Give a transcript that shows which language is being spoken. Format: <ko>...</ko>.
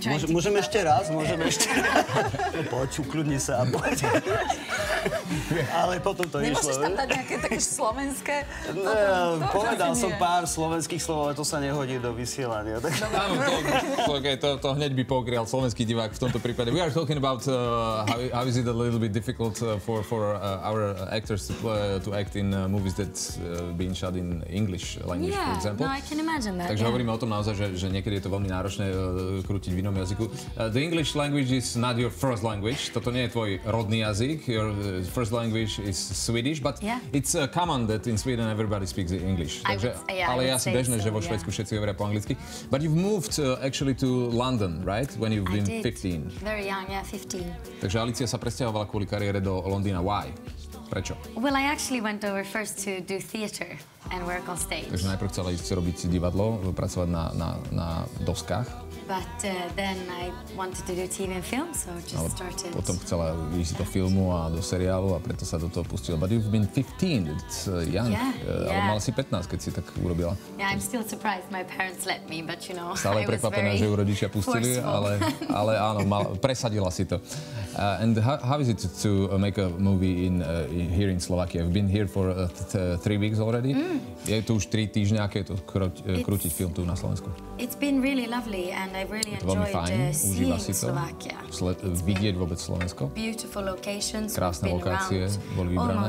<sk>Môžem ešte raz? No poď, ukľudni sa a poď. Ale potom to nemôžeš Nemôžeš tam dať nejaké také slovenské? Ne, povedal som pár slovenských slov, ale to sa nehodí do vysielania. To hneď by pokrial slovenský divák v tomto prípade.</sk> <en>We are talking about how is it a little bit difficult for our actors to act in movies that been shot in English language, yeah, for example. No, I can imagine that.</en> <sk>Takže hovoríme o tom naozaj, že niekedy je to veľmi náročné krútiť v inom jazyku.</sk> <en>The English language is not your first language.</en> <sk>Toto nie je tvoj rodný jazyk.</sk> <en>Your first language is Swedish, but it's common that in Sweden everybody speaks English.</en> <sk>Takže, ale ja si bežne, že vo Švédsku všetci hovoria po anglicky.</sk> <en>But you've moved actually to London, right? When you've been 15. Very young, yeah, 15.</en> <sk>Takže Alicia sa presťahovala kvôli kariére do Londýna.</sk> <en>Why?</en> <sk>Prečo?</sk> <en>Well, I actually went over first to do theater and work on stage.</en> <sk>Takže najprv chcela ísť robiť divadlo, pracovať na doskách.</sk> <en>but then I wanted to do TV and film, so just ale started.</en> <sk>Potom chcela ísť do filmu a do seriálu a preto sa do toho pustila.</sk> <en>But you've been 15, it's young. Yeah.</en> <sk>Ale mala si 15, keď si tak urobila.</sk> <en>Yeah, I'm still surprised my parents let me, but you know,</en> <sk>stále prekvapená, že ju rodičia pustili, ale áno, presadila si to.</sk> <en>And how is it to make a movie in here in Slovakia? I've been here for 3 weeks already. Mm.</en> <sk>Je to už 3 týždne, aké to krútiť film tu na Slovensku.</sk> <en>It's been really lovely and I really enjoyed seeing Slovakia. Slovakia.</en> <sk>Vidieť vôbec Slovensko.</sk> <en>Beautiful locations.</en> <sk>Krásne lokácie boli vybrané.</sk>